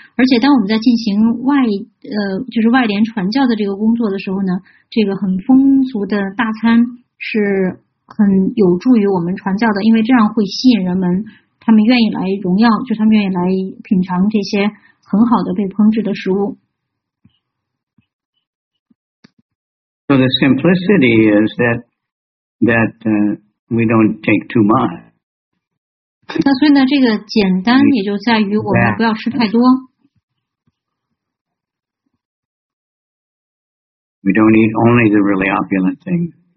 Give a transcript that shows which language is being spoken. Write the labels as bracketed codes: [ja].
[zh] 而且当我们在进行就是外联传教的这个工作的时候呢，这个很丰足的大餐是很有助于我们传教的，因为这样会吸引人们。他们愿意来荣耀，就他们愿意来品尝这些很好的被烹制的食物。 [en] So the simplicity is that we don't take too much. [zh] 那所以呢，这个简单也就在于我们不要吃太多。 [en] We don't eat only the really opulent thing.